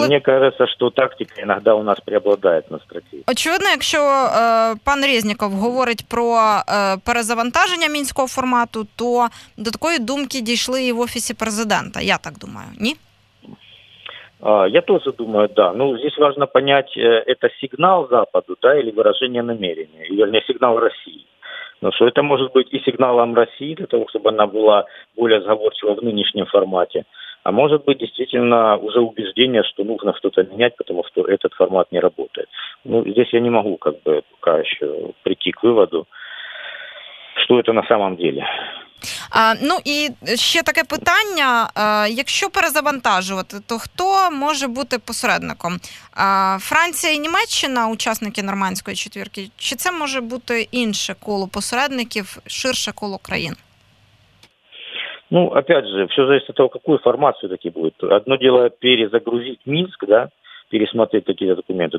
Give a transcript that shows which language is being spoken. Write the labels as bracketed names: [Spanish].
[Russian] мне кажется, что тактика иногда у нас преобладает на стратегии. [Ukrainian] Очевидно, якщо пан Резніков говорить про перезавантаження мінського формату, то до такої думки дійшли і в офісі президента, я так думаю, ні? [Russian] Я тоже думаю, да. Ну, здесь важно понять, это сигнал Западу, да, или выражение намерения, или сигнал России. Но что это может быть и сигналом России для того, чтобы она была более сговорчива в нынешнем формате, а может быть действительно уже убеждение, что нужно что-то менять, потому что этот формат не работает. Ну, здесь я не могу как бы пока еще прийти к выводу, что это на самом деле. [Ukrainian] Ну і ще таке питання, якщо перезавантажувати, то хто може бути посередником? Франція і Німеччина, учасники Нормандської четвірки, чи це може бути інше коло посередників, ширше коло країн? [Russian] Ну, опять же, все зависит от того, какую формацию таки буде. [Ukrainian] Одно діло перезагрузити Мінськ, [Russian] да, пересмотреть какие-то документы.